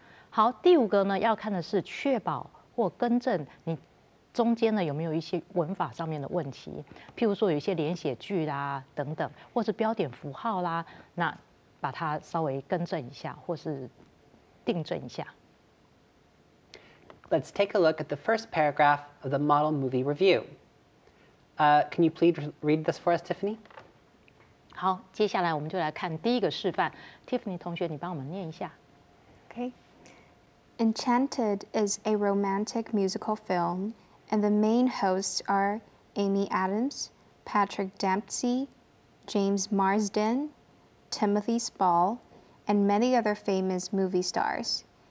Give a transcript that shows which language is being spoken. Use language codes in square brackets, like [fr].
[zh] 好，第五个呢，要看的是确保或更正你中间呢有没有一些文法上面的问题，譬如说有一些连写句啦等等，或是标点符号啦，那把它稍微更正一下或是订正一下。 [en] Let's take a look at the first paragraph of the model movie review. Can you please read this for us, Tiffany? [zh] 好，接下来我们就来看第一个示范。 Tiffany 同学，你帮我们念一下。 [en] Okay. Enchanted is a romantic musical film, and the main hosts are Amy Adams, Patrick Dempsey, James Marsden, Timothy Spall, and many other famous movie stars.